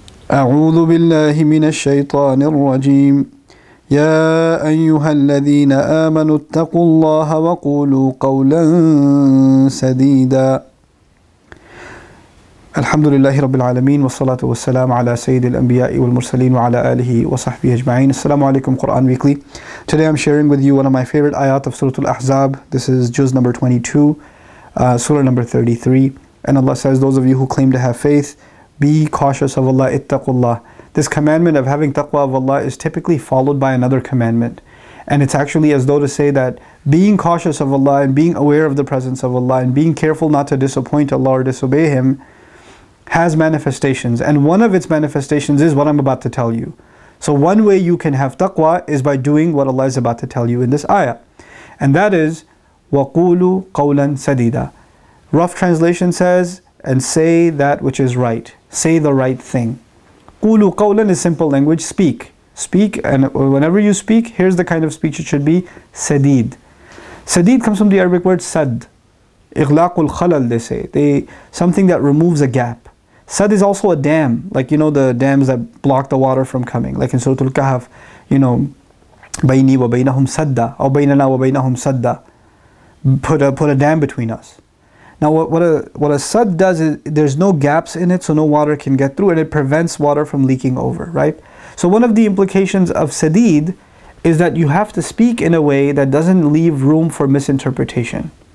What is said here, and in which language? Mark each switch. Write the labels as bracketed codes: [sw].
[ar] أعوذ بالله من الشيطان الرجيم. يا أيها الذين آمنوا اتقوا الله وقولوا قولا سديدا. الحمد لله رب العالمين والصلاة والسلام على سيد الأنبياء والمرسلين وعلى آله وصحبه أجمعين. السلام عليكم قرآن ويكلي. [en] Today I'm sharing with you one of my favorite ayat of Surah Al-Ahzab. This is Juz number 22, Surah number 33. And Allah says, those of you who claim to have faith, be cautious of Allah, ittaqullah. This commandment of having taqwa of Allah is typically followed by another commandment. And it's actually as though to say that being cautious of Allah and being aware of the presence of Allah and being careful not to disappoint Allah or disobey Him has manifestations. And one of its manifestations is what I'm about to tell you. So one way you can have taqwa is by doing what Allah is about to tell you in this ayah. And that is, [ar] وَقُولُوا قَوْلًا سَدِيدًا. [en] Rough translation says, and say that which is right. Say the right thing. [ar] قُولُوا قَوْلًا [en] is simple language. Speak. Speak, and whenever you speak, here's the kind of speech it should be. Sadid. Sadid comes from the Arabic word sad. [ar] إغلاق الخلل, [en] they say. Something that removes a gap. Sad is also a dam. Like, you know, the dams that block the water from coming. Like in Surah Al-Kahf, you know, [ar] بَيْنِي وَبَيْنَهُمْ سَدًّا أَوْ بَيْنَنَا وَبَيْنَهُمْ سَدًّا. [en] Put a dam between us. Now what a sud does is there's no gaps in it, so no water can get through, and it prevents water from leaking over, right? So one of the implications of sadid is that you have to speak in a way that doesn't leave room for misinterpretation.